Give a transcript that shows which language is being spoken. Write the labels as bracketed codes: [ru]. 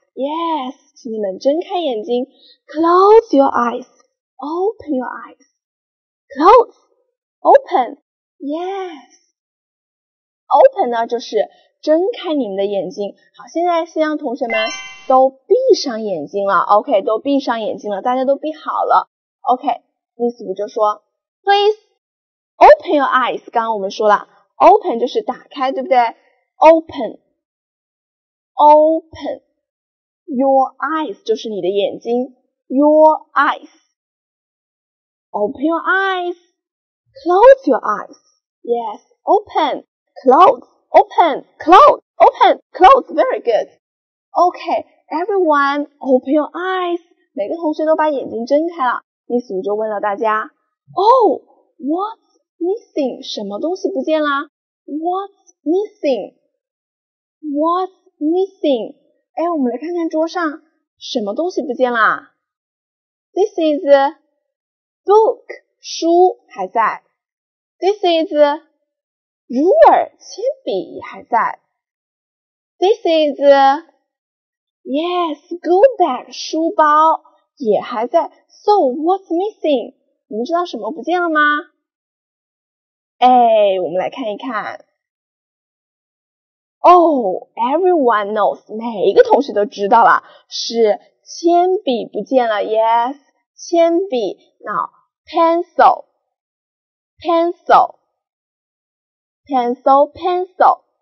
[en] Yes， [zh] 请你们睁开眼睛。 [en] Close your eyes， Open your eyes。 Close， Open， Yes。 [zh] Open 呢就是睁开你们的眼睛。好，现在先让同学们都闭上眼睛了。 OK， 都闭上眼睛了，大家都闭好了。 [en] OK， Miss 五 [zh] 就说 [en] Please open your eyes。 [zh] 刚刚我们说了 Open 就是打开，对不对？ [en] Open OpenYour eyes [zh] 就是你的眼睛。 [en] Your eyes Open your eyes Close your eyes Yes, open Close, open Close, open Close, very good OK, everyone Open your eyes [zh] 每个同学都把眼睛睁开了。 [en] Miss 五 [zh] 就问了大家 [en] Oh, what's missing? [zh] 什么东西不见啦？ [en] What's missing? What's missing? [zh] 哎，我们来看看桌上什么东西不见啦。 [en] This is book [zh] 书还在。 [en] This is ruler [zh] 铅笔还在。 [en] This is yes school bag [zh] 书包也还在。 [en] So what's missing? [zh] 你们知道什么不见了吗？哎，我们来看一看。 [en] Oh, everyone knows, [zh] 每一个同学都知道了，是铅笔不见了。 [en] Yes, 铅笔。Now, pencil, pencil, pencil, pencil.